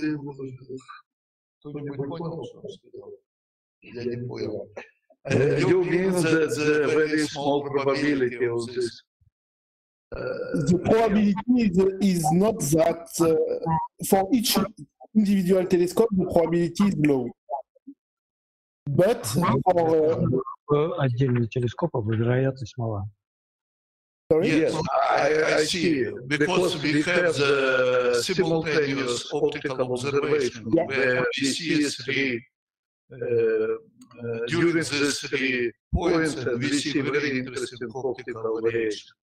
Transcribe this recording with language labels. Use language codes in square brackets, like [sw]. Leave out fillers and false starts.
[en] you mean that the very small probability of this? The probability is not that for each individual telescope, the probability is low. But for [ru] отдельный телескоп, вероятность мала. [en] Sorry? Yes, I see. Because we have the simultaneous optical observation where we see three during these three points, and we see very interesting optical radiation.